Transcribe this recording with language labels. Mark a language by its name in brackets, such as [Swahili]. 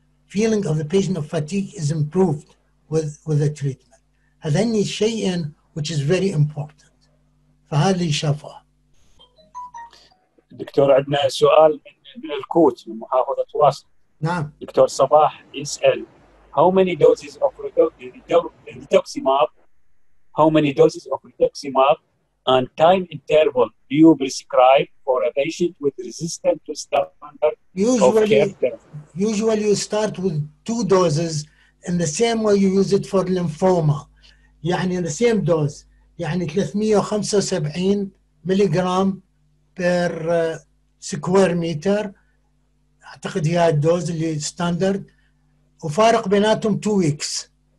[English] Feeling of the patient of fatigue is improved with the treatment. [Arabic] هذا هني شيء [English] which is very important. [Arabic] فهذا اللي شافه. دكتور عندنا سؤال من الكوت من محافظة واسط. نعم. دكتور صباح يسأل [English] how many doses of rituximab how many doses of rituximab and time interval do you prescribe for a patient with resistance to standard usually, of care? Usually you start with two doses in the same way you use it for lymphoma. يعني the same dose. يعني 375 milligram per square meter. [Arabic] أعتقد هي الدوز اللي standard. وفارق بيناتهم [English] 2 weeks.